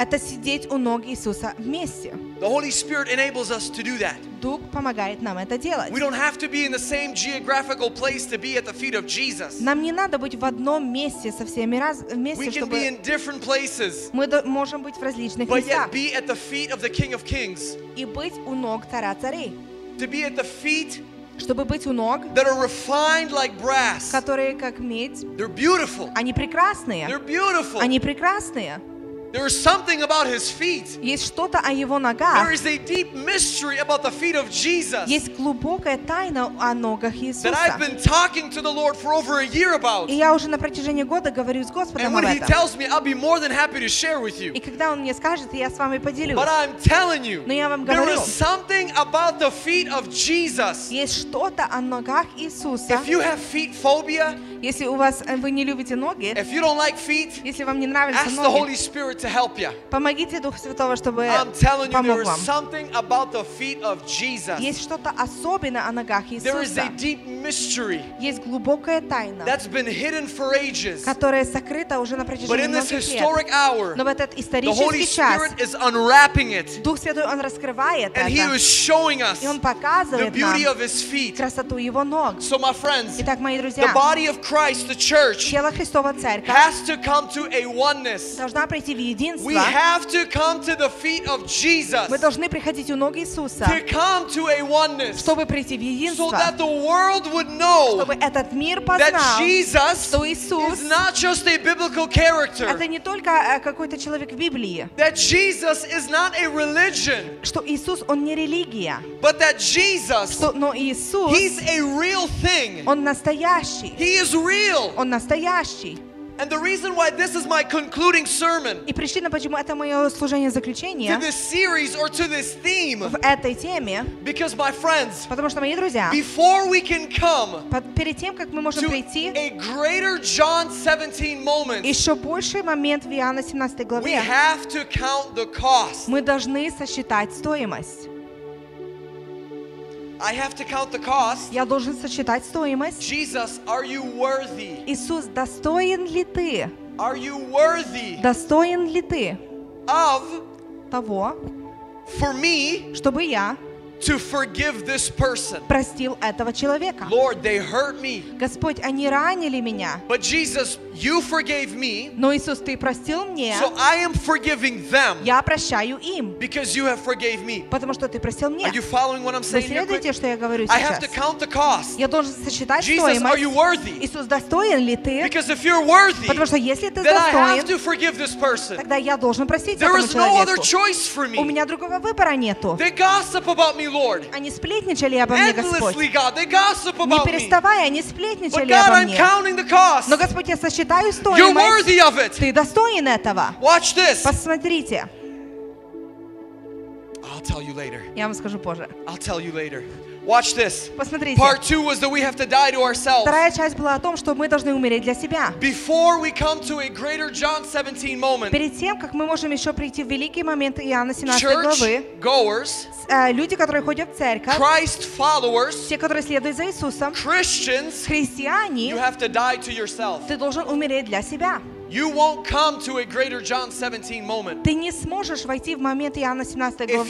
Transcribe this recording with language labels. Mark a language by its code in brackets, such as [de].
[ru] Это сидеть у ног Иисуса вместе. [en] The Holy Spirit enables us to do that. [ru] Дух помогает нам это делать. [en] We don't have to be in the same geographical place to be at the feet of Jesus. [ru] Нам не надо быть в одном месте со всеми раз вместе, чтобы. [en] We can be in different places. [ru] Мы можем быть в различных местах. [en] But yet be at the feet of the King of Kings. [ru] И быть у ног Царя Царей. [en] To be at the feet. [ru] Чтобы быть у ног. [en] That are refined like brass. [ru] Которые как медь. [en] They're beautiful. [ru] Они прекрасные. [en] They're beautiful. [ru] Они прекрасные. [en] There is something about his feet. [ru] Есть что-то о его ногах. [en] There is a deep mystery about the feet of Jesus. [ru] Есть глубокая тайна о ногах Иисуса. [en] That I've been talking to the Lord for over a year about. [ru] И я уже на протяжении года говорю с Господом об этом. [en] And when he tells me, I'll be more than happy to share with you. [ru] И когда он мне скажет, я с вами поделюсь. [en] But I'm telling you. [ru] Но я вам говорю. [en] There is something about the feet of Jesus. [ru] Есть что-то о ногах Иисуса. [en] If you have feet phobia. [ru] Если у вас вы не любите ноги. [en] If you don't like feet. [ru] Если вам не нравятся ноги. [en] Ask the Holy Spirit. To help you. [ru] Помогите Духу Святого, чтобы помог вам. [en] I'm telling you, there is something about the feet of Jesus. [ru] Есть что-то особенное о ногах Иисуса. [en] There is a deep mystery. [ru] Есть глубокая тайна. [en] That's been hidden for ages. [ru] Которая сокрыта уже на протяжении многих лет. [en] But in this historic hour, [ru] но в этот исторический час, [en] the Holy Spirit is unwrapping it. [ru] Дух Святой он раскрывает это. [en] And He is showing us. [ru] И он показывает нам. [en] The beauty of His feet. [ru] Красоту его ног. [en] So my friends. [ru] Итак, мои друзья. [en] The body of Christ, the church. [ru] Тело Христово, церковь. [en] Has to come to a oneness. [ru] Должна прийти. [en] We have to come to the feet of Jesus. [ru] Мы должны приходить у ног Иисуса. [en] To come to a oneness. [ru] Чтобы прийти в единство. [en] So that the world would know. [ru] Чтобы этот мир познал. [en] That Jesus. [ru] Что Иисус. [en] Is not just a biblical character. [ru] Это не только какой-то человек в Библии. [en] That Jesus is not a religion. [ru] Что Иисус он не религия. [en] But that Jesus. [ru] Что но Иисус. [en] He's a real thing. [ru] Он настоящий. [en] He is real. [ru] Он настоящий. [en] And the reason why this is my concluding sermon. [ru] И причина, почему это мое служение заключение. [en] To this series or to this theme. [ru] В этой теме. [en] Because my friends. [ru] Потому что мои друзья. [en] Before we can come. [ru] Перед тем, как мы можем прийти. [en] To a greater John 17 moment. [ru] Еще больший момент в Иоанна 17 главе. [en] We have to count the cost. [ru] Мы должны сосчитать стоимость. [en] I have to count the cost. [ru] Я должен сосчитать стоимость. [en] Jesus, are you worthy? [ru] Иисус, достоин ли ты? [en] Are you worthy? [ru] Достоин ли ты? [en] Of [ru] того? [en] For me? [ru] Чтобы я? [en] To forgive this person. [ru] Простил этого человека. [en] Lord, they hurt me. [ru] Господь, они ранили меня. [en] But Jesus, you forgave me. [ru] Но Иисус, ты простил мне. [en] So I am forgiving them. [ru] Я прощаю им. [en] Because you have forgave me. [ru] Потому что ты простил мне. [en] Are you following what I'm saying? [ru] Вы следуете, что я говорю сейчас? [en] I have to count the cost. [ru] Я должен сосчитать [en] Jesus, [ru] стоимость. [en] Jesus, are you worthy? [ru] Иисус, достоин ли ты? [en] Because if you're worthy, [ru] потому что если ты [en] then [ru] достоин, [en] I have to forgive this person. [ru] Тогда я должен простить [en] there [ru] этому [en] is [ru] человеку. [en] No other choice for me. [ru] У меня другого выбора нету. [en] They gossip about me. [ru] Они сплетничали обо мне, Господь. Не переставая, они сплетничали [en] God, [ru] обо мне. Но, Господь, я сосчитаю стоимость. Ты достоин этого. Посмотрите. Я вам скажу позже. [en] Watch this. [ru] Посмотрите. [en] Part two was that we have to die to ourselves. [ru] Вторая часть была о том, что мы должны умереть для себя. [en] Before we come to a greater John 17 moment. [ru] Перед тем, как мы можем еще прийти в великий момент Иоанна 17 главы. [en] Churchgoers. [ru] Люди, которые ходят в церковь. [en] Christ followers. [ru] Те, которые следуют за Иисусом. [en] Christians. [ru] Христиане. [en] You have to die to yourself. [ru] Ты должен умереть для себя. [en] You won't come to a greater John 17 moment. [ru] Ты не сможешь войти в момент Иоанна 17 главы.